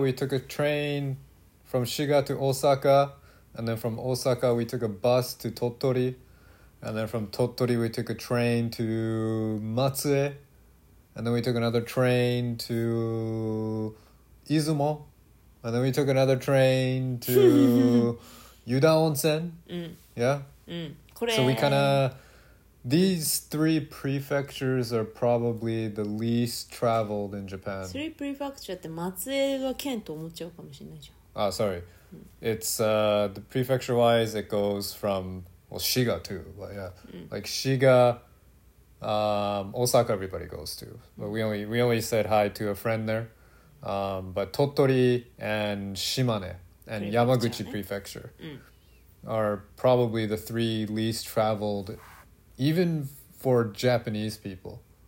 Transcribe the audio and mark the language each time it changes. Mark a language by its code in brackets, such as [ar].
[en] We took a train from Shiga to Osaka, and then from Osaka we took a bus to Tottori, and then from Tottori we took a train to Matsue, and then we took another train to Izumo, and then we took another train to Yuda Onsen. Yeah. So we kind of, these three prefectures are probably the least traveled in Japan. Three prefectures [ja] って松江が県と思っちゃうかもしれないじゃん。 [en] Ah, sorry. It's the prefecture wise, it goes from, well, Shiga too. But yeah, like Shiga, Osaka, everybody goes to. But we only said hi to a friend there. But Tottori and Shimane and Yamaguchi prefecture are probably the three least traveled, even for Japanese people.